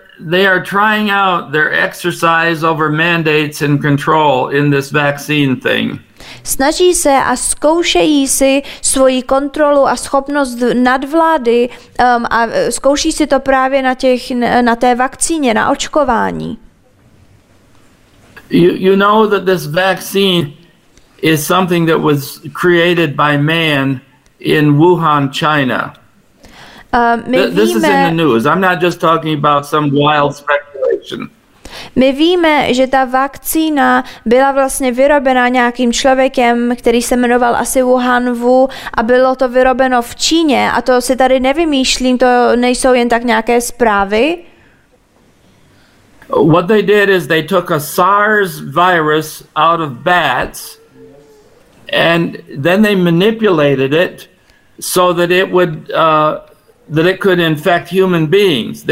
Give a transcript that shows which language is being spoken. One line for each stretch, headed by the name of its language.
English: They are trying out their exercise over mandates and control in this vaccine thing.
Czech: Snaží se a zkoušejí si svoji kontrolu a schopnost nadvlády a zkouší si to právě na té vakcíně, na očkování.
English: You know that this vaccine is something that was created by man in Wuhan, China. This is in the news. I'm not just talking about some wild speculation.
Czech: My víme, že ta vakcína byla vlastně vyrobena nějakým člověkem, který se jmenoval asi Wuhan Wu, a bylo to vyrobeno v Číně, a to si tady nevymýšlím, to nejsou jen tak nějaké zprávy.
English: What they did is they took a SARS virus out of bats and then they manipulated it so that it would that it could infect human beings.